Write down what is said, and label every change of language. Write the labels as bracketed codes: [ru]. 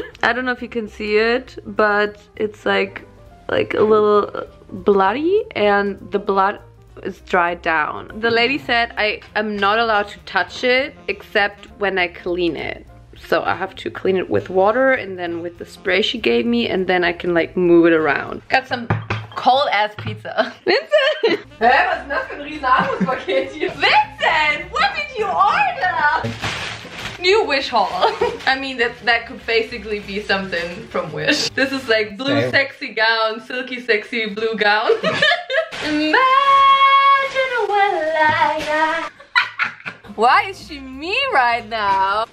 [en] I don't know if you can see it, but it's like a little bloody, and the blood is dried down. The lady said I am not allowed to touch it except when I clean it. So I have to clean it with water and then with the spray she gave me, and then I can like move it around. Got some cold ass pizza. Vincent! [de] Hä, was ist denn das für ein riesen Armutspaket hier? [en] Vincent, what did you order? New Wish haul. I mean, that could basically be something from Wish. This is like blue sexy gown, silky sexy blue gown. Imagine what I like. Why is she me right now?